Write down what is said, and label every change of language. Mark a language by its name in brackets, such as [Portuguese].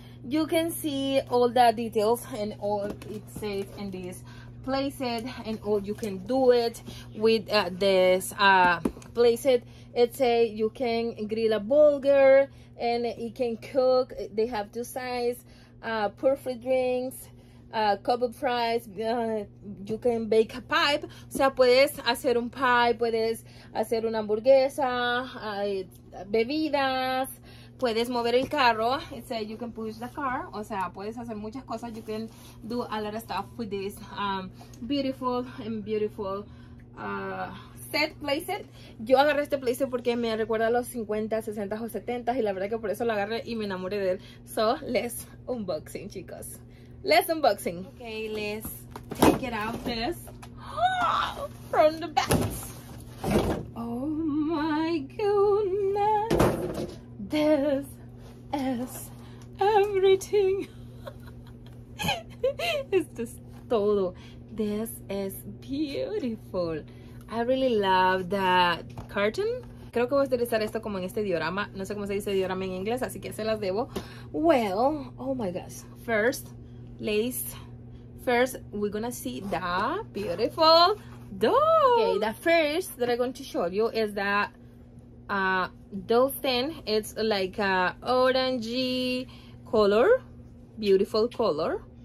[English] You can see all the details and all it says in this playset, and all you can do it with this playset. It say you can grill a burger and it can cook. They have two sizes. Perfect drinks, cup of fries, you can bake a pipe. [Spanish] O sea, puedes hacer un pie, puedes hacer una hamburguesa, bebidas, puedes mover el carro. [English] It says you can push the car. [Spanish] O sea, puedes hacer muchas cosas. [English] You can do a lot of stuff with this beautiful and beautiful set, playset. [Spanish] Yo agarré este playset porque me recuerda a los 50, 60 o 70, y la verdad que por eso lo agarré y me enamoré de él. [English] So, let's unboxing, chicos. Let's unboxing. Okay, let's take it out this. Oh, from the back. Oh my goodness. This is everything. [Spanish] Esto es todo. [English] This is beautiful. I really love that curtain. [Spanish] Creo que voy a utilizar esto como en este diorama. No sé cómo se dice diorama en inglés, así que se las debo. [English] Well, oh my gosh. First, ladies, first we're gonna see the beautiful doll. Okay, the first that I'm going to show you is the doll thing. It's like a orangey color, beautiful color.